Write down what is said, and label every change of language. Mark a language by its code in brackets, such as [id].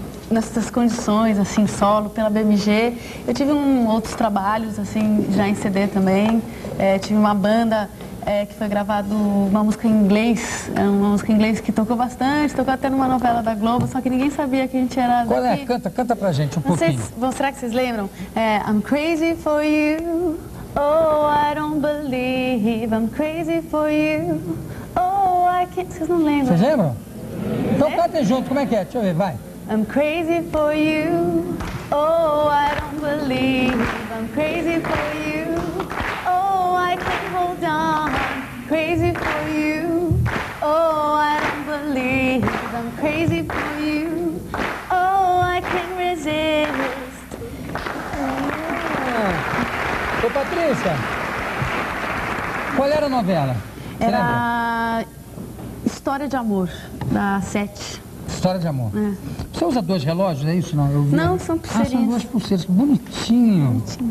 [pt] Nessas condições, assim, solo, pela BMG. Eu tive outros trabalhos, assim, já em CD também. Tive uma banda que foi gravado uma música em inglês. É uma música em inglês que tocou bastante, tocou até numa novela da Globo, só que ninguém sabia que a gente era... Qual é? Canta pra gente um pouquinho. Será que vocês lembram? [en] I'm crazy for you, oh, I don't believe. I'm crazy for you, oh, I can't... [pt] Vocês não lembram? Vocês lembram? Então cantem junto, como é que é? Deixa eu ver, vai. [en] I'm crazy for you, oh, I don't believe. I'm crazy for you, oh, I can't hold on. Crazy for you, oh, I don't believe. I'm crazy for you, oh, I can't resist. [pt] Ô, Patrícia, qual era a novela? Era História de Amor, da Sete. História de amor. É. Você usa dois relógios, é isso? Não, eu vi. Não, são pulseiras. Ah, são duas pulseiras. Bonitinho.